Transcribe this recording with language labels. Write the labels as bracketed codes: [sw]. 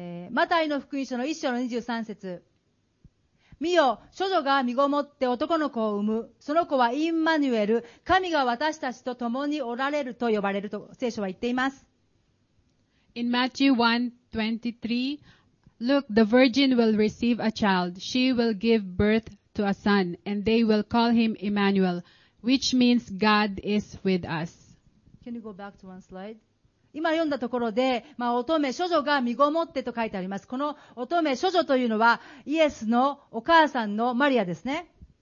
[ja] マタイの福音書の1章の23節。見よ、処女が身ごもって男の子を産む。その子はインマニュエル、神が私たちと共におられると呼ばれると聖書は言っています。 [en] In Matthew 1:23, look, the virgin will receive a child. She will give birth to a son, and they will call him Emmanuel, which means God is with us. Can you go back to one slide? [ja] 今読んだところで、まあ、乙女、処女が身ごもってと書いてあります。この乙女、処女というのは、イエスのお母さんのマリアですね。